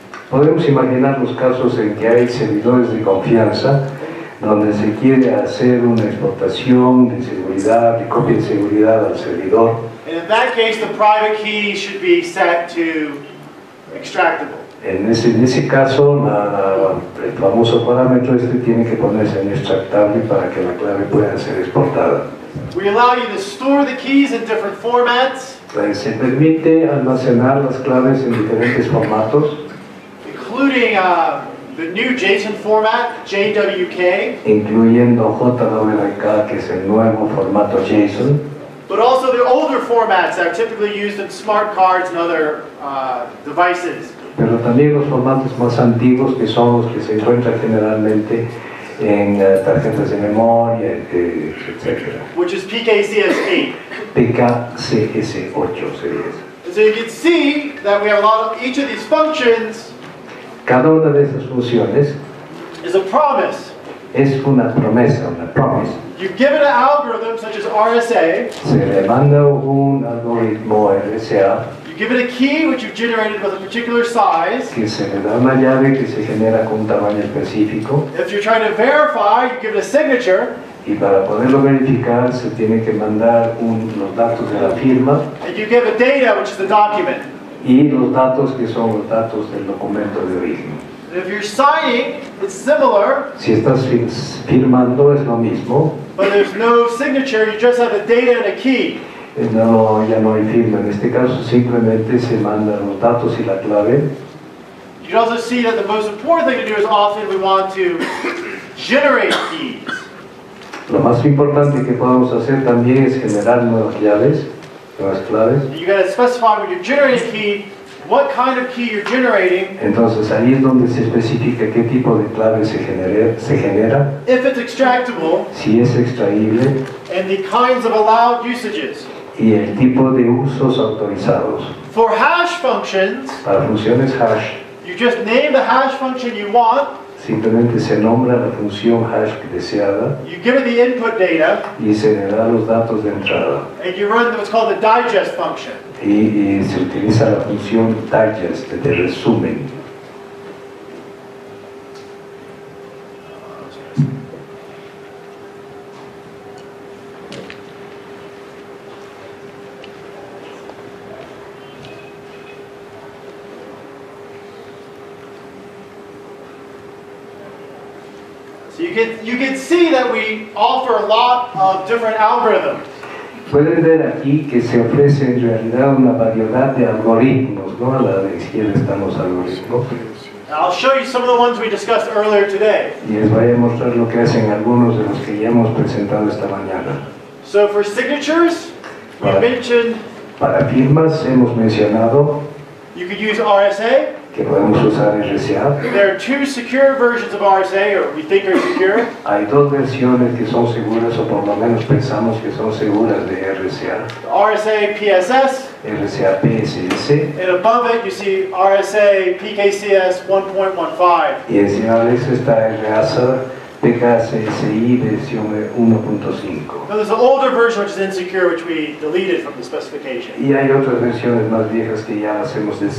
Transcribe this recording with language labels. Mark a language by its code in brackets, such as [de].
[es] Podemos imaginar los casos en que hay servidores de confianza donde se quiere hacer una exportación de seguridad, de copia de seguridad al servidor. [en] And in that case, the private key should be set to extractable. [es] En ese caso, el famoso parámetro este tiene que ponerse en extractable para que la clave pueda ser exportada. [en] We allow you to store the keys in different formats. [es] Pues se permite almacenar las claves en diferentes formatos. [en] Including the new JSON format, JWK. [es] Incluyendo JWK, que es el nuevo formato JSON. [en] But also the older formats that are typically used in smart cards and other devices. [es] Pero también los formatos más antiguos que son los que se encuentran generalmente en tarjetas de memoria, etc. [en] Which is PKCS8. [es] PKCS8 sería eso. [en] So you can see that we have a lot of each of these functions. [es] Cada una de esas funciones [en] is a promise. [es] Es una promesa, una promise. [en] You give it an algorithm such as RSA. [es] Se le manda un algoritmo RSA. [en] You give it a key which you've generated with a particular size. [es] Que se le da una llave que se genera con un tamaño específico. [en] If you're trying to verify, you give it a signature. [es] Y para poderlo verificar se tiene que mandar los datos de la firma. [en] And you give a data which is the document. [es] Y los datos que son los datos del documento de origen. [en] If you're signing, it's similar. [es] Si estás firmando, es lo mismo. [en] But there's no signature, you just have a data and a key. [es] No, ya no hay firma. En este caso, simplemente se mandan los datos y la clave. [en] You can also see that the most important thing to do is often we want to generate keys. [es] Lo más importante que podemos hacer también es generar nuevas claves. [en] You got to specify when you're generating a key, what kind of key you're generating. [es] Entonces ahí es donde se especifica qué tipo de clave se genera. [en] If it's extractable. [es] Si es extraíble. [en] And the kinds of allowed usages. [es] Y el tipo de usos autorizados. [en] For hash functions. [es] Para funciones hash. [en] You just name the hash function you want. [es] Simplemente se nombra la función hash deseada. [en] You give it the input data. [es] Y se le da los datos de entrada. [en] And you run what's called the digest function. [es] Y se utiliza la función digest, de resumen. [en] So you can see that we offer a lot of different algorithms. [es] Pueden ver aquí que se ofrece en realidad una variedad de algoritmos, ¿no? A la izquierda están los algoritmos. [en] I'll show you some of the ones we discussed earlier today. [es] Y les voy a mostrar lo que hacen algunos de los que ya hemos presentado esta mañana. [en] So for signatures, we mentioned. [es] Para firmas hemos mencionado. [en] You could use RSA. [es] Que podemos usar RSA. [en] There are two secure versions of RSA, or we think are secure. [es] Hay dos versiones que son seguras, o por lo menos pensamos que son seguras de RSA. [en] RSA PSS. [es] RSA PSS. [en] And above it, you see RSA PKCS 1.15. [es] Y encima de eso está RSA PKCSI versión 1.5. [en] Now there's an older version which is insecure, which we deleted from the specification. [es] Y hay otras versiones más viejas que ya hacemos